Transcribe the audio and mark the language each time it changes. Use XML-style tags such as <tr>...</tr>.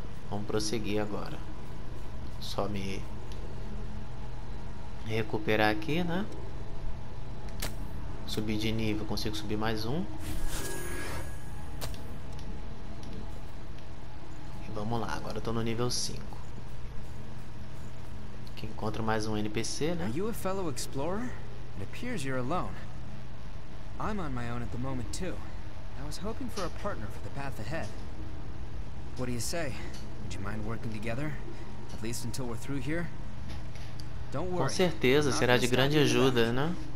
<pt>Vamos prosseguir agora. Só me recuperar aqui, né? Subir de nível, consigo subir mais um. E vamos lá, agora eu tô no nível 5. Aqui encontro mais um NPC, né?</pt> <en>Are you a fellow explorer? It appears you're alone. I'm on my own at the moment too. I was hoping for a partner for the path ahead. What do you say? Would you mind working together? At least until we're through here.</en> <pt>Com certeza, será de grande ajuda, né?</pt>